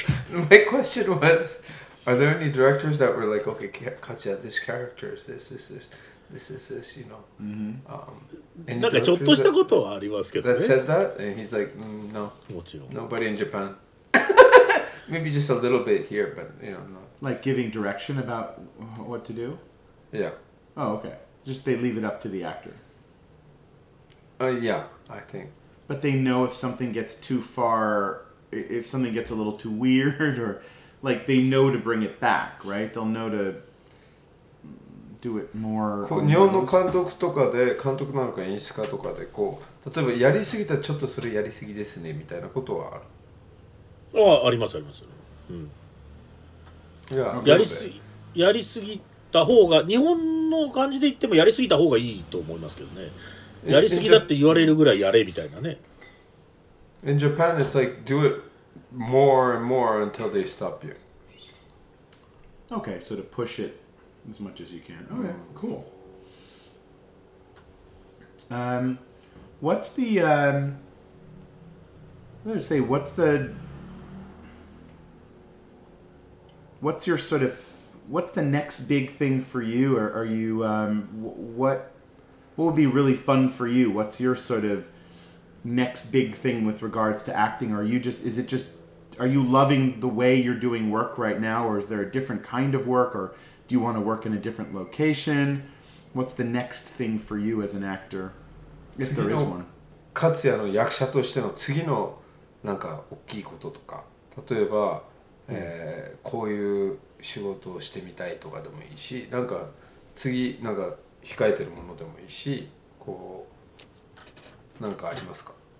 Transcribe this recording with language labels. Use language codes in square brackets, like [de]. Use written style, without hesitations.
[en] My question was, are there any directors that were like, okay, Katsuya, this character is this, this, this, this, this, this, you know? [ja] なんかちょっとしたことはありますけどね。 [en] That said that? And he's like, no. [ja] もちろん。 [en] Nobody in Japan. Maybe just a little bit here, but, you know, not. Like giving direction about what to do? Yeah. Oh, okay. Just they leave it up to the actor. Yeah, I think. But they know if something gets too far, if something gets a little too weird, or like they know to bring it back, right? They'll know to do it more. [ja] 日本の監督とかで、監督なのか演出家とかでこう、例えばやりすぎたらちょっとそれやりすぎですねみたいなことはある。ああ、ありますあります。うん。やりすぎた方が、日本の感じで言ってもやりすぎた方がいいと思いますけどね。やりすぎだって言われるぐらいやれみたいなね。 [en] In Japan, it's like do it more and more until they stop you. Okay, so to push it as much as you can. Okay, cool. What's the let's say what's your sort of what's the next big thing for you? Or are you what would be really fun for you? What's your sort of next big thing with regards to acting? Are you just, is it just, are you loving the way you're doing work right now? Or is there a different kind of work? Or do you want to work in a different location? What's the next thing for you as an actor? If there is one. [ja] 勝也の役者としての次のなんか大きいこととか、例えば、こういう仕事をしてみたいとかでもいいし、なんか次、なんか、控えてるものでもいいし、こう、なんかありますか？